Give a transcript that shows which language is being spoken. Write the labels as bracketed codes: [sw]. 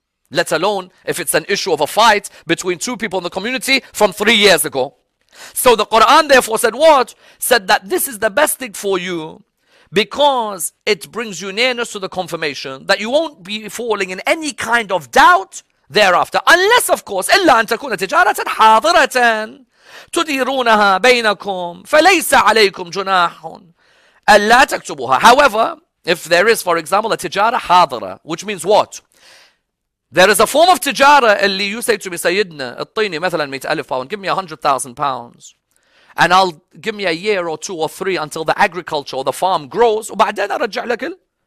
[en] Let alone if it's an issue of a fight between two people in the community from 3 years ago. So the Quran therefore said what? Said that this is the best thing for you because it brings you nearness to the confirmation that you won't be falling in any kind of doubt thereafter. Unless, of course, [ar] إلا أن تكون تجارة حاضرة تديرونها بينكم فليس عليكم جناح ألا تكتبوها. [en] However, if there is, for example, a [ar] تجارة حاضرة, [en] which means what? There is a form of tijara [ar] اللي [en] you say to me, Sayyidna, [ar] اطيني مثلا [en] 100,000 pounds, give me 100,000 pounds, and I'll give me a year or two or three until the agriculture or the farm grows, [ar] وبعدين أرجع لك